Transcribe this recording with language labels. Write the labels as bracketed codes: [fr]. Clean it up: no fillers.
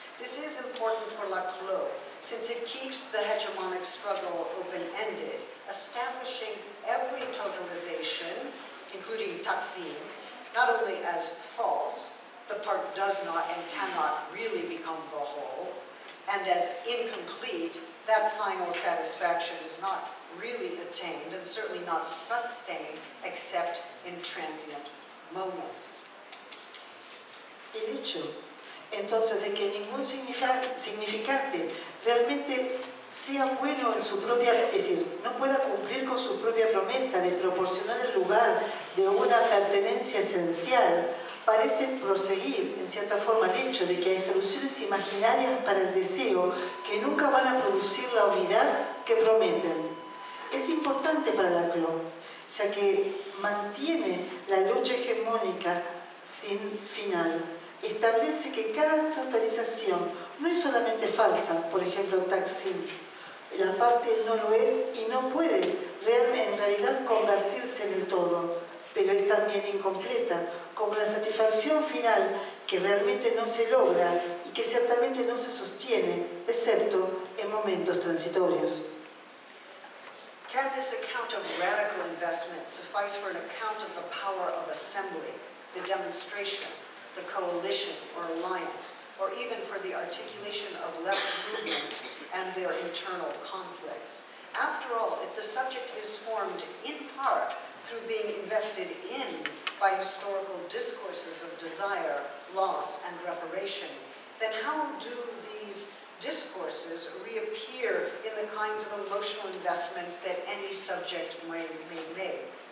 [en] This is important for Laclos, since it keeps the hegemonic struggle open-ended, establishing every totalization, including Taksim, not only as false, the part does not and cannot really become the whole, and as incomplete, that final satisfaction is not really attained and certainly not sustained except in transient moments. [es] El hecho, entonces, de que ningún significante realmente sea bueno en su propia, es decir, no pueda cumplir con su propia promesa de proporcionar el lugar de una pertenencia esencial, parece proseguir, en cierta forma, el hecho de que hay soluciones imaginarias para el deseo que nunca van a producir la unidad que prometen. Es importante para Laclos, ya que mantiene la lucha hegemónica sin final. Establece que cada totalización no es solamente falsa, por ejemplo, Taksim. La parte no lo es y no puede realmente, en realidad, convertirse en el todo, pero es también incompleta, como la satisfacción final que realmente no se logra y que ciertamente no se sostiene, excepto en momentos transitorios. [en] Can this account of radical investment suffice for an account of the power of assembly, the demonstration, the coalition or alliance, or even for the articulation of left movements and their internal conflicts? After all, if the subject is formed in part through being invested in by historical discourses of desire, loss, and reparation, then how do these discourses reappear in the kinds of emotional investments that any subject may make?